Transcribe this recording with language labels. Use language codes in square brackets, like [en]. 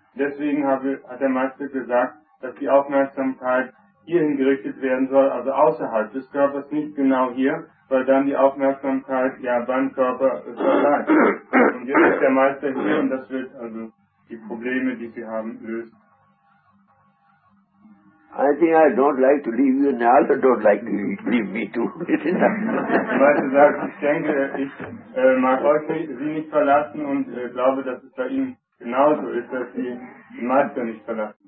[de] Deswegen hat der Meister gesagt, dass die Aufmerksamkeit hierhin gerichtet werden soll, also außerhalb des Körpers, nicht genau hier, weil dann die Aufmerksamkeit ja beim Körper verbleibt. Und jetzt ist der Meister hier und das wird also die Probleme, die Sie haben, lösen. [en] I think I don't like to leave you and I also don't like to leave me too. [de] Der Meister sagt, ich denke, ich mag euch nicht, Sie nicht verlassen und glaube, dass es bei Ihnen genauso ist, dass Sie den Meister nicht verlassen.